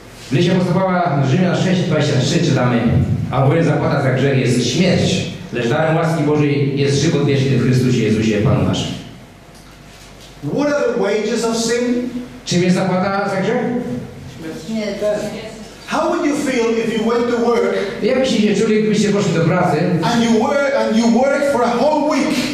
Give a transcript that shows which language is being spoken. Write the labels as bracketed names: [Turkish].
[Polish] W liście apostoła Rzymian 6:23 czytamy: a bowiem zapłata za grzech jest śmierć, lecz darem łaski Bożej jest żywot wieczny w Chrystusie Jezusie Panu naszym. [English] What are the wages of sin? [Polish] Czym jest zapłata za grzech? Śmierć. [English] How would you feel if you went to work? [Polish] Jak byście się czuli, gdybyście poszli do pracy? [English] And you work for a whole week.